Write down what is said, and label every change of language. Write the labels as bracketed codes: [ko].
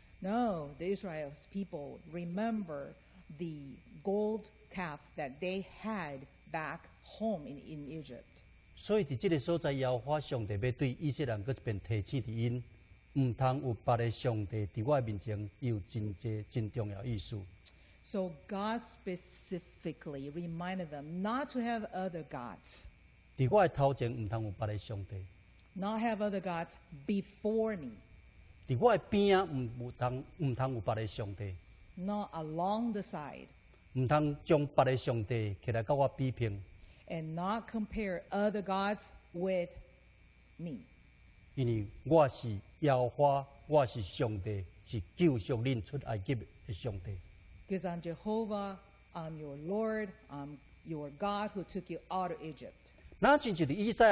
[en] No, the Israel's people remember the gold calf that they had back home in Egypt. [nan] 所以在这个所在，耶和华上帝要对以色列人搁一边提醒的因。 [en] So God specifically reminded them not to have other gods. [nan] 在我的头前，唔通有别的上帝。 [en] Not have other gods before me. [nan] 在我的边啊，唔通有别的上帝。 [en] Not along the side. [nan] 唔通将别的上帝起来跟我比拼。 [en] And not compare other gods with me. [nan] 因为我是耶和华，我是上帝，是救赎恁出埃及的上帝。 [en] Because I'm Jehovah, I'm your Lord, I'm your God who took you out of Egypt.